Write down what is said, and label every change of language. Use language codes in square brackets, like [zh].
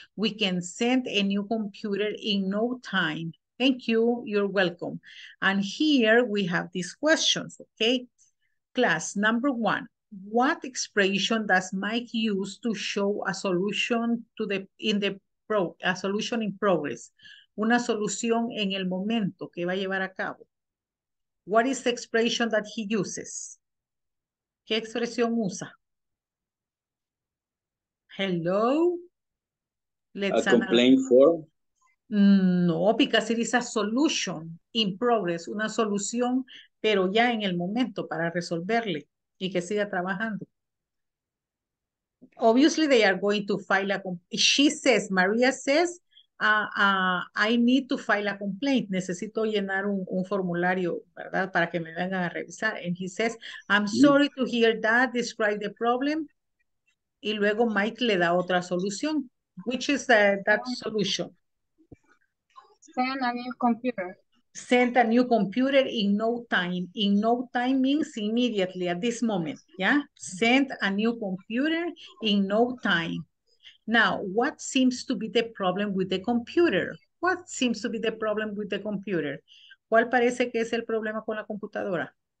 [en] We can send a new computer in no time. Thank you. You're welcome. And here we have these questions, okay? Class number one. What expression does Mike use to show a solution to the a solution in progress? [es] Una solución en el momento que va a llevar a cabo. [en] What is the expression that he uses? [es] ¿Qué expresión usa? [en] Hello? Let's a complaint form? No, because it is a solution in progress. [es] Una solución, pero ya en el momento para resolverle y que siga trabajando. [en] Obviously, they are going to file a complaint. She says, Maria says, I need to file a complaint. [es] Necesito llenar un formulario, ¿verdad? Para que me vengan a revisar. [en] And he says, I'm sorry to hear that. Describe the problem. [es] Y luego Mike le da otra solución. [en] Which is that solution? Send a new computer. Send a new computer in no time. In no time means immediately, at this moment. Yeah? Send a new computer in no time. Now, what seems to be the problem with the computer? What seems to be the problem with the computer? [es] ¿Cuál parece que es el problema con la computadora?